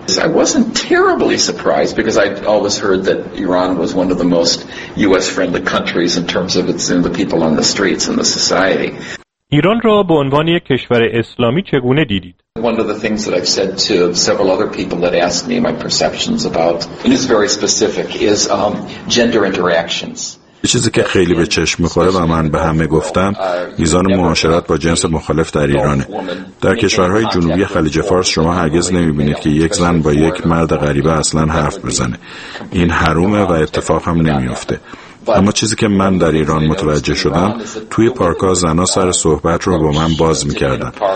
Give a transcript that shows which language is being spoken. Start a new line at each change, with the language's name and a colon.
English: I wasn't terribly surprised because I'd always heard that Iran was one of the most US friendly countries in terms of its the people on the streets and the society.
Persian: ایران را به عنوان یک کشور اسلامی چگونه دیدید؟
English: One of the things that I've said to several other people that asked me my perceptions about and it's very specific is gender interactions.
Persian: چیزی که خیلی به چشم میخوره و من به همه گفتم میزان معاشرت با جنس مخالف در ایرانه. در کشورهای جنوبی خلیج فارس شما هرگز نمیبینید که یک زن با یک مرد غریبه اصلا حرف بزنه. این حرومه و اتفاق هم نمیفته. اما چیزی که من در ایران متوجه شدم، توی پارک‌ها زن‌ها سر صحبت رو با من باز می‌کردن.